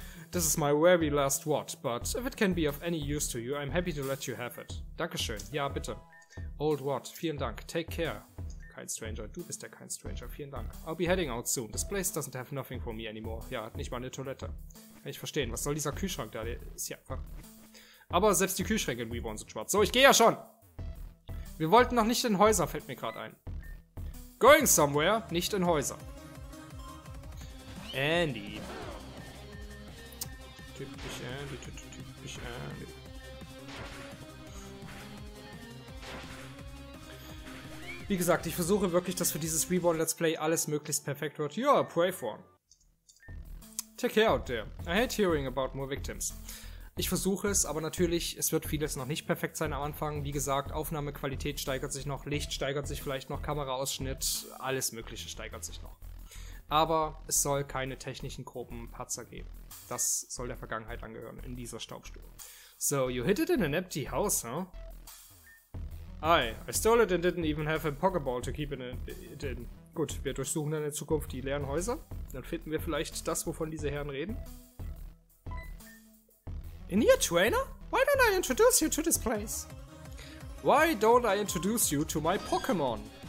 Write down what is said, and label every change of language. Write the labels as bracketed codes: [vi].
[en] This is my very last ward, but if it can be of any use to you, I'm happy to let you have it. [de] Dankeschön. Ja, bitte. [en] Old ward, [de] vielen Dank. [en] Take care. [de] kein Stranger. Du bist ja kein Stranger. Vielen Dank. [en] I'll be heading out soon. This place doesn't have nothing for me anymore. [de] Ja, hat nicht mal eine Toilette. Kann ich verstehen. Was soll dieser Kühlschrank da? Der ist ja einfach... Aber selbst die Kühlschränke in Reborn sind schwarz. So, ich gehe ja schon. Wir wollten noch nicht in Häuser, fällt mir gerade ein. [en] Going somewhere, [de] nicht in Häuser. Andy. Typisch Andy, typisch Andy. Wie gesagt, ich versuche wirklich, dass für dieses Reborn Let's Play alles möglichst perfekt wird. Ja, [en] pray for. Take care out there. I hate hearing about more victims. [de] Ich versuche es, aber natürlich, es wird vieles noch nicht perfekt sein am Anfang. Wie gesagt, Aufnahmequalität steigert sich noch, Licht steigert sich vielleicht noch, Kameraausschnitt, alles Mögliche steigert sich noch. Aber es soll keine technischen groben Patzer geben. Das soll der Vergangenheit angehören, in dieser Staubstube. [en] So, you hit it in an empty house, huh? Aye, I stole it and didn't even have a pokeball to keep it in. [de] Gut, wir durchsuchen dann in Zukunft die leeren Häuser. Dann finden wir vielleicht das, wovon diese Herren reden. [en] In your trainer? Why don't I introduce you to this place? Why don't I introduce you to my Pokémon?